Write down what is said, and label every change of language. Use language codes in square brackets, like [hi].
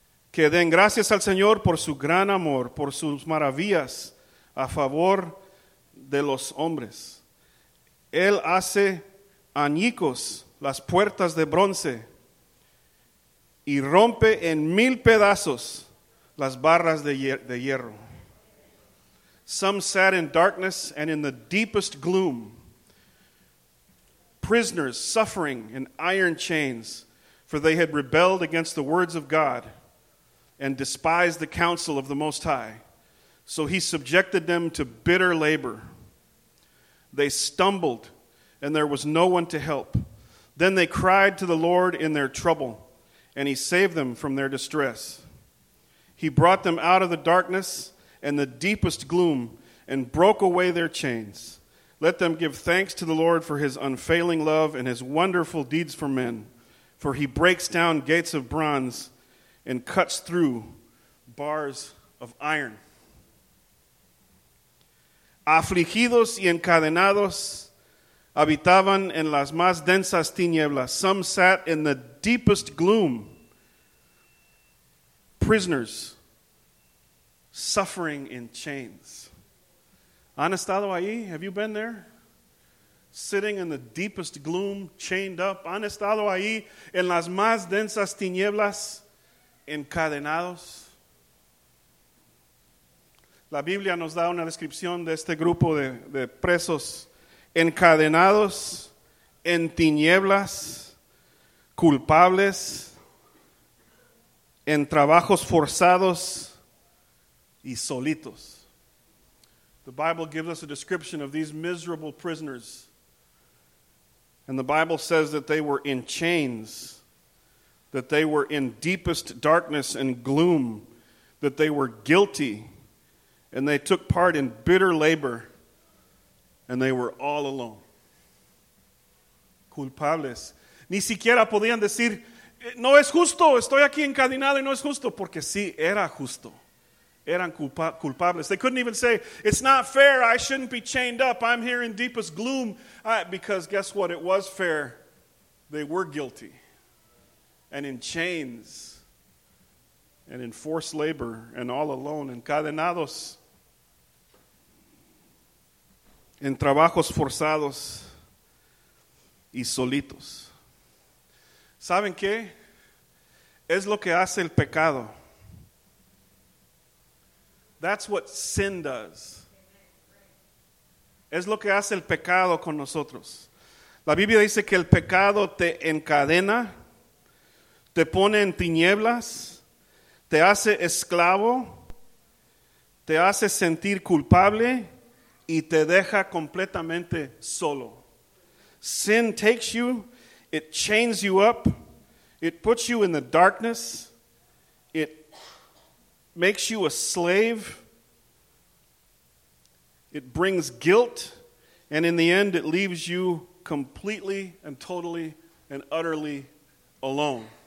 [es] Que den gracias al Señor por su gran amor, por sus maravillas a favor de los hombres. Él hace añicos las puertas de bronce y rompe en mil pedazos las barras de hierro. [en] Some sat in darkness and in the deepest gloom, prisoners suffering in iron chains, for they had rebelled against the words of God and despised the counsel of the Most High. So he subjected them to bitter labor. They stumbled, and there was no one to help. Then they cried to the Lord in their trouble, and he saved them from their distress. He brought them out of the darkness and the deepest gloom and broke away their chains. Let them give thanks to the Lord for his unfailing love and his wonderful deeds for men. For he breaks down gates of bronze and cuts through bars of iron. [es] Afligidos y encadenados, habitaban en las más densas tinieblas. [en] Some sat in the deepest gloom, prisoners suffering in chains. [es] ¿Han estado ahí? [en] Have you been there? Sitting in the deepest gloom, chained up. [es] ¿Han estado ahí en las más densas tinieblas, encadenados? La Biblia nos da una descripción de este grupo de presos. Encadenados, en tinieblas, culpables, en trabajos forzados y solitos. [en] The Bible gives us a description of these miserable prisoners. And the Bible says that they were in chains, that they were in deepest darkness and gloom, that they were guilty, and they took part in bitter labor, and they were all alone. [es] Culpables. Ni siquiera podían decir, no es justo, estoy aquí encadenado y no es justo, porque sí era justo. Eran culpables. [en] They couldn't even say, it's not fair, I shouldn't be chained up, I'm here in deepest gloom. Because guess what, it was fair. They were guilty. And in chains. And in forced labor. And all alone. [es] Encadenados. En trabajos forzados. Y solitos. ¿Saben qué? Es lo que hace el pecado. [en] That's what sin does. [es] Es lo que hace el pecado con nosotros. La Biblia dice que el pecado te encadena, te pone en tinieblas, te hace esclavo, te hace sentir culpable y te deja completamente solo. [en] Sin takes you, it chains you up, it puts you in the darkness, it makes you a slave. It brings guilt, and in the end, it leaves you completely and totally and utterly alone.